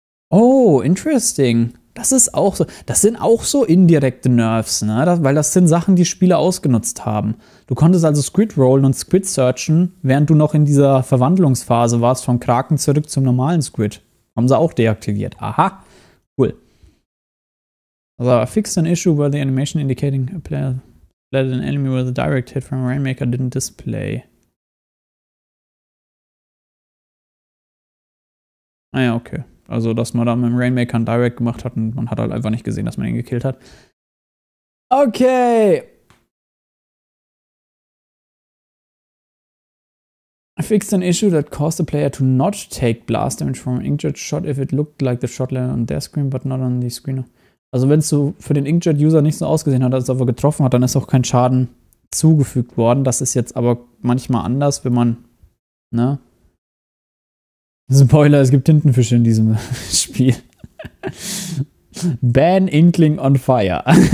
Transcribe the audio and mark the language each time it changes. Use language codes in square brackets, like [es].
[de] Oh, interesting. Das ist auch so. Das sind auch so indirekte Nerfs, ne? Weil das sind Sachen, die Spieler ausgenutzt haben. Du konntest also Squid rollen und Squid searchen, während du noch in dieser Verwandlungsphase warst, vom Kraken zurück zum normalen Squid. Haben sie auch deaktiviert. Aha, cool. [en] Also, fixed an issue where the animation indicating a player led an enemy with a direct hit from a Rainmaker didn't display. [de] Ah ja, okay. Also, dass man da mit dem Rainmaker einen Direct gemacht hat und man hat halt einfach nicht gesehen, dass man ihn gekillt hat. Okay. [en] Fixed an issue that caused the player to not take blast damage from an inkjet shot if it looked like the shot landed on their screen but not on the screen. [de] Also wenn es so für den Inkjet-User nicht so ausgesehen hat, als ob er getroffen hat, dann ist auch kein Schaden zugefügt worden. Das ist jetzt aber manchmal anders, wenn man, ne? Spoiler, es gibt Tintenfische in diesem Spiel. Ban Inkling on Fire.